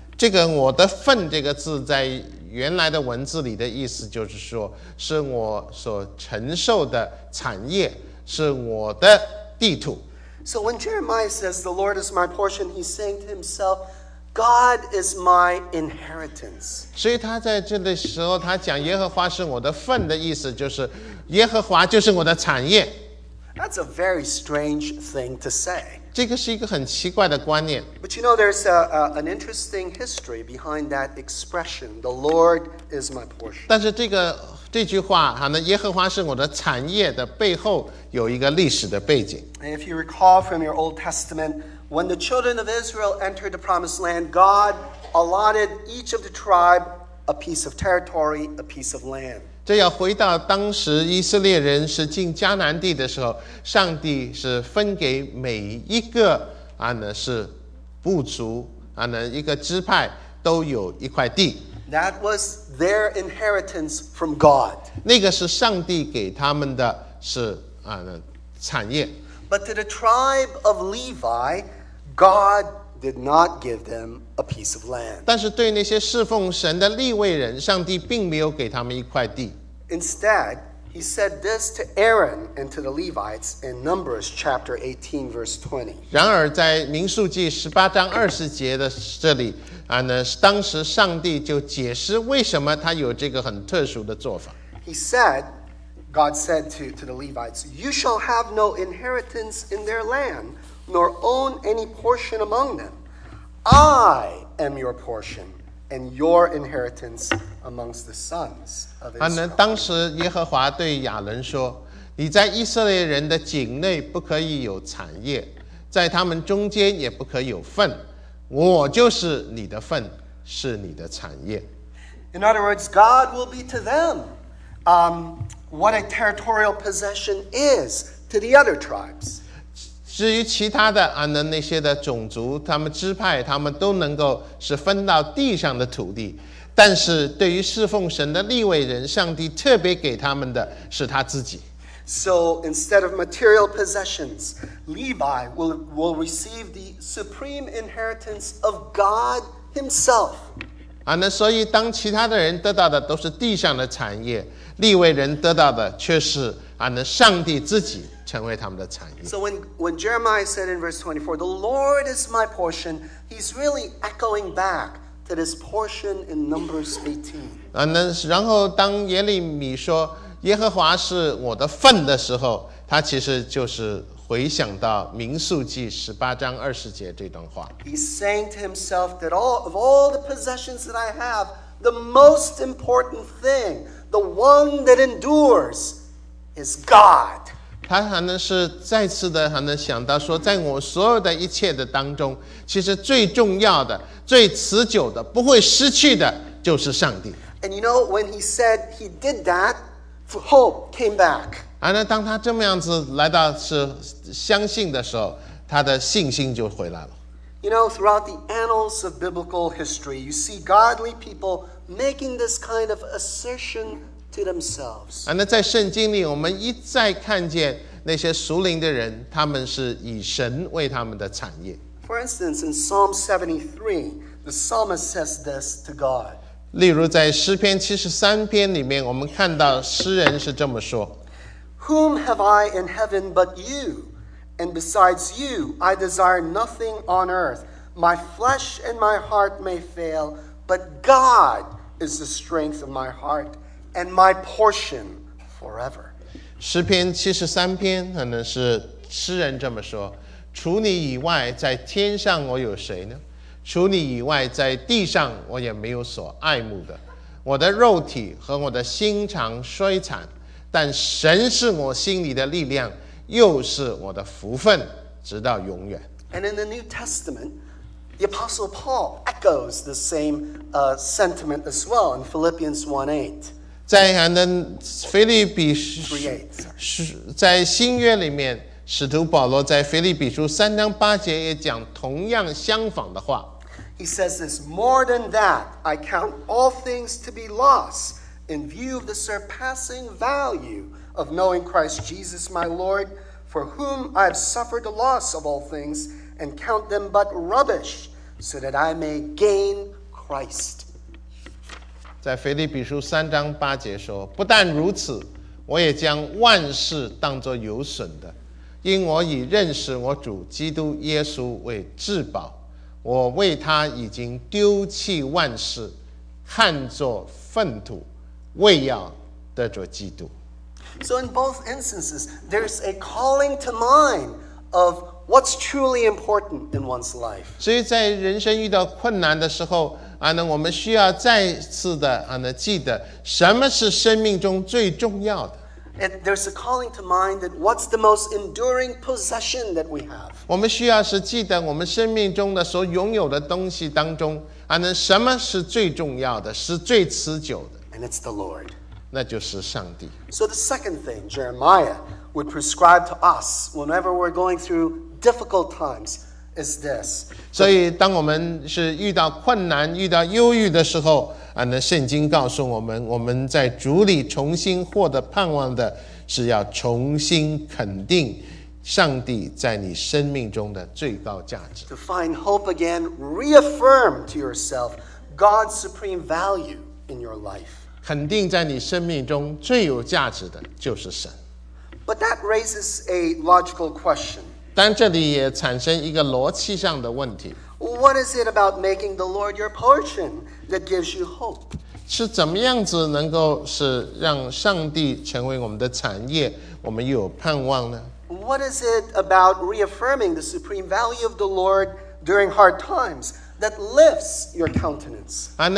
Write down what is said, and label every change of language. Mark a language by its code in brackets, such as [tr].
[zh] 这个我的份这个字在原来的文字里的意思就是说，是我所承受的产业，是我的地图。 [en] So when Jeremiah says, "The Lord is my portion," he's saying to himself, "God is my inheritance." [zh] 所以他在这的时候，他讲耶和华是我的份的意思，就是耶和华就是我的产业。 [en] That's a very strange thing to say. [zh] 这个是一个很奇怪的观念。 [en] But you know, there's an interesting history behind that expression, "The Lord is my portion." [zh] 但是这个这句话，哈，那耶和华是我的产业的背后有一个历史的背景。 [en] If you recall from your Old Testament, when the children of Israel entered the Promised Land, God allotted each of the tribe a piece of territory, a piece of land. [zh] 这要回到当时以色列人是进迦南地的时候，上帝是分给每一个啊呢是部族啊呢一个支派都有一块地。 [en] That was their inheritance from God. [zh] 那个是上帝给他们的是啊呢产业。 [en] But to the tribe of Levi, God did not give them a piece of land. [zh] 但是对那些侍奉神的利未人，上帝并没有给他们一块地。 [en] Instead, he said this to Aaron and to the Levites in Numbers chapter 18, verse 20. [zh] 然而在民数记十八章二十节的这里，啊呢，当时上帝就解释为什么他有这个很特殊的做法。 [en] He said,God said to the Levites, "You shall have no inheritance in their land, nor own any portion among them. I am your portion and your inheritance amongst the sons of Israel." [zh] 啊，那当时耶和华对亚伦说，你在以色列人的境内不可以有产业，在他们中间也不可有份，我就是你的份，是你的产业。 [en] In other words, God will be to them, what a territorial possession is to the other tribes. [zh] 至于其他的啊，那些的种族，他们支派，他们都能够是分到地上的土地，但是对于侍奉神的利未人，上帝特别给他们的是他自己。 [en] So instead of material possessions, Levi will receive the supreme inheritance of God Himself. [zh] 啊，那所以当其他的人得到的都是地上的产业。利未人得到的却是啊，能上帝自己成为他们的产业。 [en] So when Jeremiah said in verse 24, "The Lord is my portion," he's really echoing back to this portion in Numbers 18. [zh] 啊，那然后当耶利米说耶和华是我的份的时候，他其实就是回想到民数记十八章二十节这段话。 [en] He's saying to himself that of all the possessions that I have, the most important thing. The one that endures is God. [zh] 他可能是再次的可能想到说，在我所有的一切的当中，其实最重要的、最持久的、不会失去的，就是上帝。 [en] And you know, when he said he did that, hope came back. [zh] 啊，那当他这么样子来到是相信的时候，他的信心就回来了。 [en] You know, throughout the annals of biblical history, you see godly people making this kind of assertion to themselves. [zh] 那在圣经里，我们一再看见那些属灵的人，他们是以神为他们的产业。 [en] For instance, in Psalm 73, the psalmist says this to God. [zh] 例如在诗篇七十三篇里面，我们看到诗人是这么说 [en] ：Whom have I in heaven but you? And besides you, I desire nothing on earth. My flesh and my heart may fail, but God is the strength of my heart and my portion forever. [zh] 诗篇七十三篇可能是诗人这么说：除你以外，在天上我有谁呢？除你以外，在地上我也没有所爱慕的。我的肉体和我的心肠衰残，但神是我心里的力量。又是我的福分，直到永远。 [en] And in the New Testament, the Apostle Paul echoes the same sentiment as well in Philippians 1:8. [zh] 在还能腓立比书 3:8 在新约里面，使徒保罗在腓立比书三章八节也讲同样相仿的话。 [en] He says this: "More than that, I count all things to be loss in view of the surpassing value." Of knowing Christ Jesus my Lord, for whom I have suffered the loss of all things and count them but rubbish, so that I may gain Christ. [zh] 在腓立比书三章八节说，不但如此，我也将万事当作有损的，因我以认识我主基督耶稣为至宝，我为他已经丢弃万事，看作粪土，为要得着基督。 [en] So in both instances, there's a calling to mind of what's truly important in one's life. [zh] 所以在人生遇到困难的时候，我们需要再次的记得什么是生命中最重要的。 [en] And there's a calling to mind that what's the most enduring possession that we have. [zh] 我们需要是记得我们生命中的所拥有的东西当中，什么是最重要的，是最持久的。 [en] And it's the Lord. [zh] 那就是上帝。 [en] So the second thing Jeremiah would prescribe to us whenever we're going through difficult times is this. [zh] 所以当我们是遇到困难，遇到忧郁的时候，圣经告诉我们，我们在主里重新获得盼望的是要重新肯定上帝在你生命中的最高价值。 [en] To find hope again, reaffirm to yourself God's supreme value in your life. [zh] 肯定在你生命中最有价值的就是神。 [en] But that raises a logical question. [zh] 但这里也产生一个逻辑上的问题。 [en] What is it about making the Lord your portion that gives you hope? [zh] 是怎么样子能够是让上帝成为我们的产业，我们又有盼望呢？ [en] What is it about reaffirming the supreme value of the Lord during hard times that lifts your countenance?